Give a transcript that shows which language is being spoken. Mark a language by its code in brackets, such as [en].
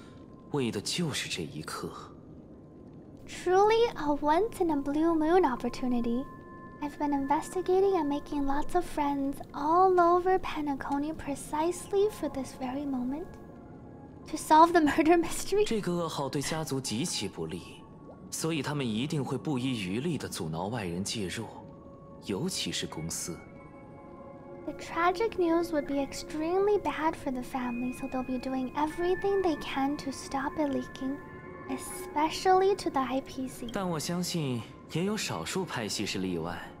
[zh] 千载难逢的机会啊！我在匹诺康尼四处调查，广交朋友，为的就是这一刻。 [en] Truly a once in a blue moon opportunity. I've been investigating and making lots of friends all over Penacony precisely for this very moment. To solve the murder mystery. [zh] 这个噩耗对家族极其不利，所以他们一定会不遗余力地阻挠外人介入，尤其是公司。 [en] The tragic news would be extremely bad for the family, so they'll be doing everything they can to stop it leaking, especially to the IPC. [zh] 但我相信也有少数派系是例外。